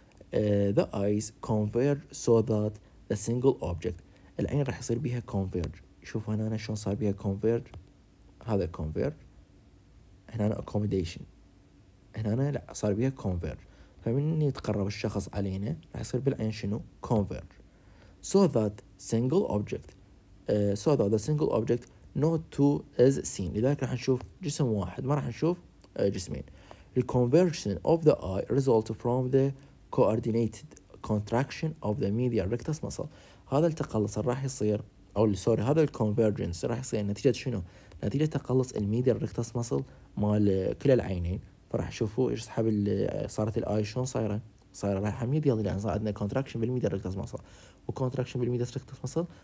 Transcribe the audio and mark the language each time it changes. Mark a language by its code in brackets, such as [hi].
[en] the eyes converge so that the single object. [ar] العين راح يصير بها converge. شوف هنا أنا شلون صار بها converge. هذا converge. هنا أنا accommodation. هنا أنا لا صار بها converge. فمن يتقرب الشخص علينا راح يصير بالعين شنو converge. [en] So that single object. So that the single object not two is seen. [ar] لذلك راح نشوف جسم واحد ما راح نشوف جسمين. [en] The conversion of the eye results from the coordinated contraction of the medial rectus muscle. [ar] هذا التقلص راح يصير أو سوري هذا الconvergence راح يصير نتيجة شنو؟ نتيجة تقلص الميديال ريكتس مسل مال كلا العينين. فراح شوفوا إيش صاحب صارت الآي شلون صايرة؟ صايرة رايحة ميديال لأن صار عندنا contraction بالميديال ريكتس مسل وcontraction بالميديال ريكتس مسل.